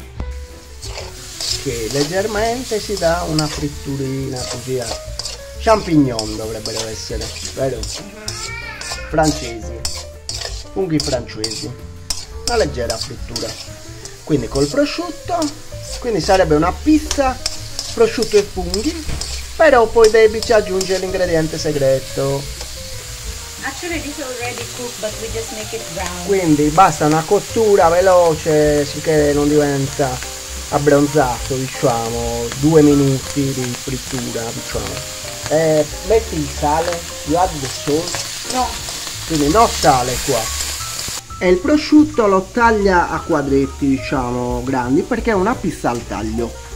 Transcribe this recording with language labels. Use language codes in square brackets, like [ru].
[it] Ok, leggermente si dà una fritturina così a champignon dovrebbero essere, vero? Francesi. Funghi francesi, una leggera frittura. Quindi col prosciutto, quindi sarebbe una pizza prosciutto e funghi, però poi Debbie ci aggiunge l'ingrediente segreto. [en] Actually, this is already cooked, but we just make it brown. [it] Quindi basta una cottura veloce, sicché non diventa abbronzato, diciamo, 2 minuti di frittura, diciamo. Metti il sale, [en] you add the salt. [it] Quindi no sale qua. E il prosciutto lo taglia a quadretti, diciamo, grandi, perché è una pizza al taglio.